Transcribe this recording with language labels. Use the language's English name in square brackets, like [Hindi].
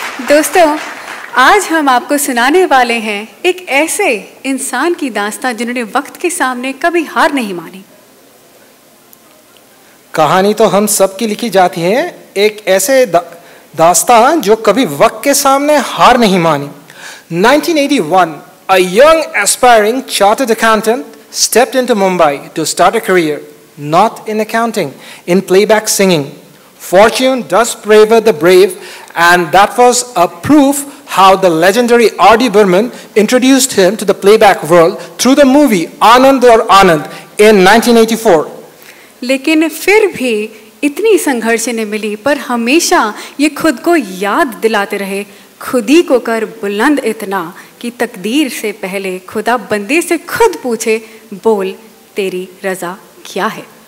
[Hindi] दोस्तों, आज हम आपको सुनाने वाले हैं एक ऐसे इंसान की दास्तां जिन्होंने वक्त के सामने कभी हार नहीं मानी। कहानी तो हम सबकी लिखी जाती है, एक ऐसे दास्तां जो कभी वक्त के सामने हार नहीं मानी। [English] 1981, a young aspiring chartered accountant stepped into Mumbai to start a career not in accounting, in playback singing. Fortune does favor the brave, and that was a proof how the legendary R.D. Burman introduced him to the playback world through the movie Anand or Anand in 1984. [Hindi] लेकिन फिर भी इतनी संघर्ष ने मिली, पर हमेशा ये खुद को याद दिलाते रहे, खुद ही को कर बुलंद इतना कि तकदीर से पहले खुदा बंदे से खुद पूछे, बोल तेरी रजा क्या है।